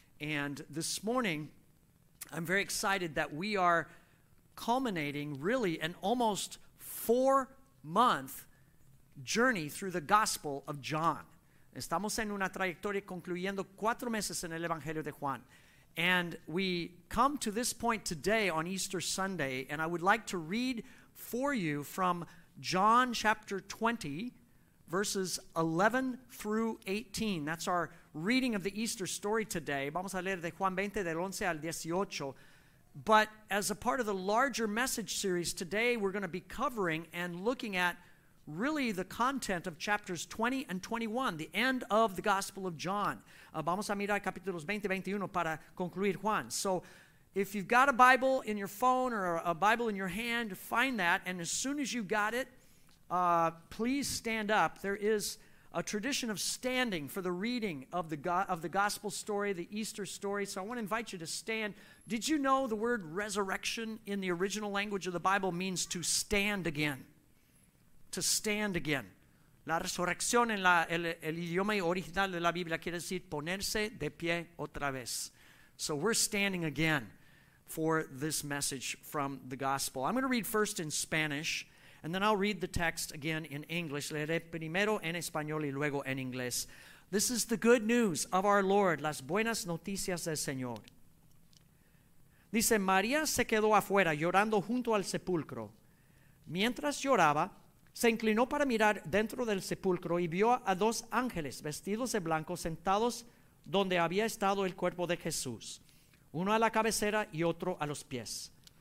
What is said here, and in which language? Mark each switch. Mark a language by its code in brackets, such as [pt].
[en] And this morning, I'm very excited that we are culminating really an almost four-month journey through the Gospel of John. [es] Estamos en una trayectoria concluyendo cuatro meses en el Evangelio de Juan. [en] And we come to this point today on Easter Sunday, and I would like to read for you from John chapter 20, verses 11 through 18. That's our reading of the Easter story today. [es] Vamos a leer de Juan 20, del 11 al 18. [en] But as a part of the larger message series today, we're going to be covering and looking at really the content of chapters 20 and 21, the end of the Gospel of John. [es] Vamos a mirar capítulos 20 y 21 para concluir Juan. [en] So if you've got a Bible in your phone or a Bible in your hand, find that. And as soon as you got it, please stand up. There is a tradition of standing for the reading of the Gospel story, the Easter story. So I want to invite you to stand. Did you know the word resurrection in the original language of the Bible means to stand again? To stand again. [es] La resurrección en el idioma original de la Biblia quiere decir ponerse de pie otra vez. [en] So we're standing again for this message from the Gospel. I'm going to read first in Spanish, and then I'll read the text again in English. [es] Leeré primero en español y luego en inglés. [en] This is the good news of our Lord. [es] Las buenas noticias del Señor. Dice, María se quedó afuera llorando junto al sepulcro. Mientras lloraba, se inclinó para mirar dentro del sepulcro y vio a dos ángeles vestidos de blanco sentados donde había estado el cuerpo de Jesús, uno a la cabecera y otro a los pies.